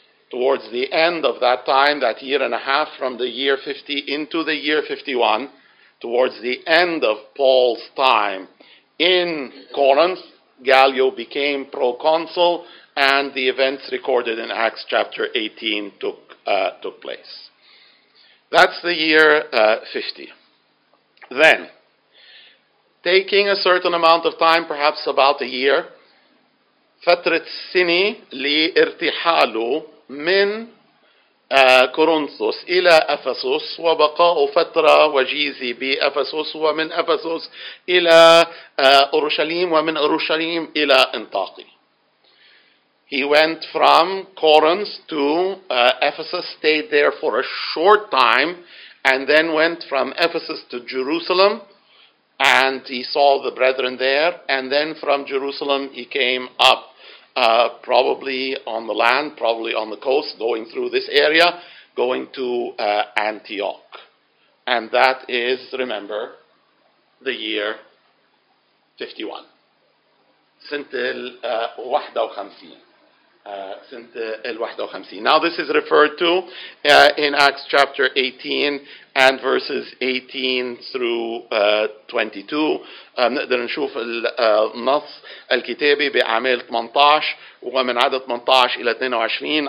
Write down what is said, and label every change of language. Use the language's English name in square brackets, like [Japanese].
[English] Towards the end of that time, that year and a half from the year 50 into the year 51, towards the end of Paul's time in Corinth, Gallio became proconsul and the events recorded in Acts chapter 18 took place. That's the year 50. Then, taking a certain amount of time, perhaps about a year, [Arabic] فترة سنة لارتحاله من كورنثوس إلى أفسوس وبقاء فترة وجيزة بأفسوس ومن أفسوس إلى أورشليم ومن أورشليم إلى أنطاكية. [English] He went from Corinth to Ephesus, stayed there for a short time, and then went from Ephesus to Jerusalem. And he saw the brethren there, and then from Jerusalem he came up, probably on the land, probably on the coast, going through this area, going to Antioch. And that is, remember, the year 51. [Arabic] سنة 51. [English] Now this is referred to in Acts chapter 18 and verses 18 through 22. [Arabic] نقدر نشوف النص الكتابي بأعمال 18 ومن عدد 18 إلى 22.